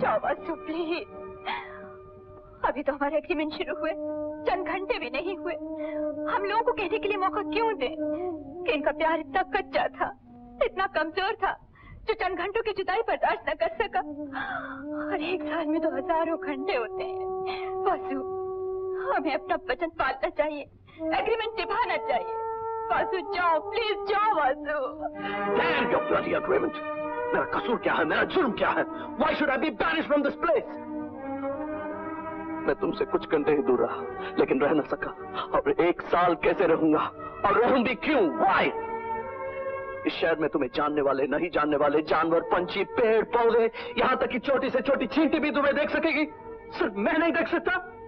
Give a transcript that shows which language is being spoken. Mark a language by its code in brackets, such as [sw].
[hi] जाओ वासु प्लीज, अभी तो हमारे एग्रीमेंट शुरू हुए चंद घंटे भी नहीं हुए, हम लोगों को कहने के लिए मौका क्यों दें कि इनका प्यार इतना कच्चा था, इतना कमजोर था जो चंद घंटों की जुदाई बर्दाश्त न कर सका। और एक साल में तो हजारों घंटे होते हैं वासु, हमें अपना वचन पालना चाहिए, एग्रीमेंट निभाना चाहिए। वासु जाओ, प्लीज जाओ Vasu. [en] Damn your bloody agreement! [hi] मेरा कसूर क्या है? मेरा जुर्म क्या है? [en] Why should I be banished from this place? [hi] मैं तुमसे कुछ घंटे ही दूर रहा, लेकिन रह न सका। अब एक साल कैसे रहूंगा? और रहूं भी क्यों? [en] Why? [hi] इस शहर में तुम्हें जानने वाले, नहीं जानने वाले, जानवर, पंछी, पेड़ पौधे, यहाँ तक कि छोटी से छोटी चींटी भी तुम्हें देख सकेगी, सिर्फ मैं नहीं देख सकता।